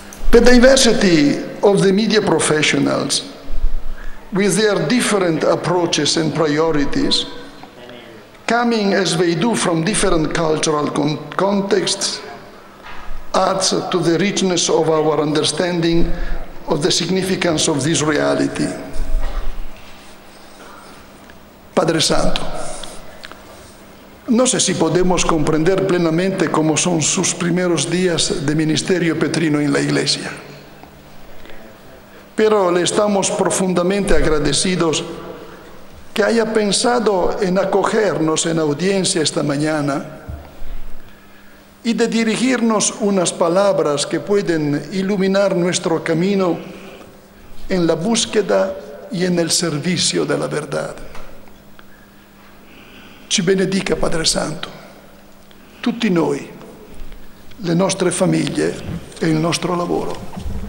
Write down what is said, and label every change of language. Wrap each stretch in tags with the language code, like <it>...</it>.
<en>The diversity of the media professionals, with their different approaches and priorities, coming as they do from different cultural contexts, adds to the richness of our understanding of the significance of this reality.</en> <es>Padre Santo, no sé si podemos comprender plenamente cómo son sus primeros días de ministerio petrino en la Iglesia, pero le estamos profundamente agradecidos que haya pensado en acogernos en audiencia esta mañana y de dirigirnos unas palabras que pueden iluminar nuestro camino en la búsqueda y en el servicio de la verdad.</es> <it>Ci benedica, Padre Santo, tutti noi, le nostre famiglie e il nostro lavoro.</it>